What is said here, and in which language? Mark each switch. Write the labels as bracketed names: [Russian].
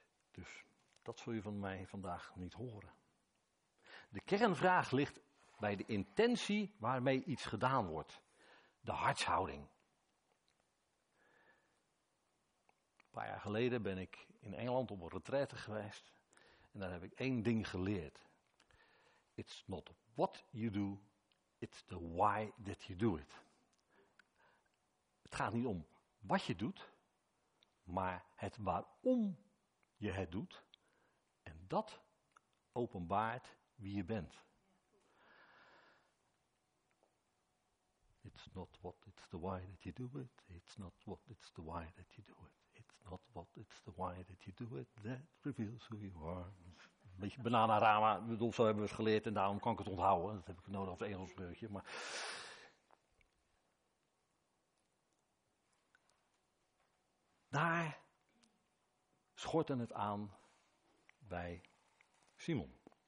[Dutch] Dus dat zul je van mij vandaag niet horen. De kernvraag ligt bij de intentie waarmee iets gedaan wordt. De hartshouding. Een paar jaar geleden ben ik in Engeland op een retraite geweest. En daar heb ik één ding geleerd. [English] It's not what you do, it's the why that you do it. [Dutch] Het gaat niet om wat je doet, maar het waarom je het doet. En dat openbaart wie je bent. [English] It's not what, it's the why that you do it. It's not what, it's the why that you do it. Not what, it's the why that you do it, that reveals who you are. [Dutch] Beetje bananarama, zo hebben we het geleerd en daarom kan ik het onthouden. Dat heb ik nodig als Engels beurtje. Maar daar schortte het aan bij Simon.